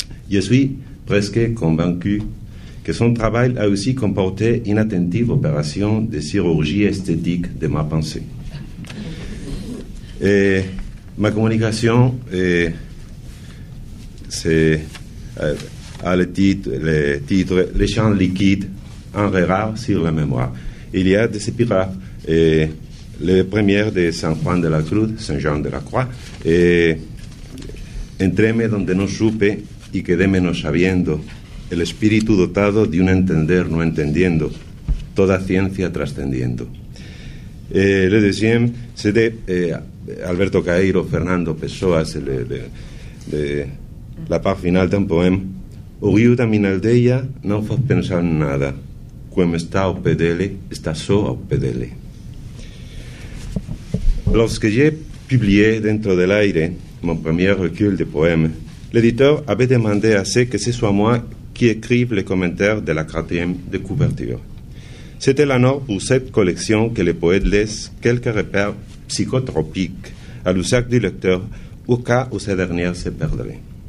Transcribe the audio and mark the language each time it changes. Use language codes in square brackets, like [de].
[fr] Je suis presque convaincu que son travail a aussi comporté une attentive opération de chirurgie esthétique de ma pensée. Et ma communication a le titre « Les champs liquides, un regard sur la mémoire ». Il y a des épigraphes et les premières de San Juan de la Cruz, Saint-Jean de la Croix, et [es] entréme donde no supe y quedéme no sabiendo, el espíritu dotado de un entender no entendiendo, toda ciencia trascendiendo. [fr] Le deuxième, c'est de Alberto Caeiro, Fernando Pessoa, c'est de la part finale d'un poème. [pt] Au rio da minha aldeia, não faz pensar em nada. Quem está ao pé dele, está só ao pé dele. [fr] Lorsque j'ai publié Dentro de l'aire, mon premier recueil de poèmes, l'éditeur avait demandé à ce que ce soit moi qui écrive les commentaires de la quatrième de couverture. C'était la norme pour cette collection que les poètes laissent quelques repères psychotropiques à l'usage du lecteur au cas où ces dernières se perdraient.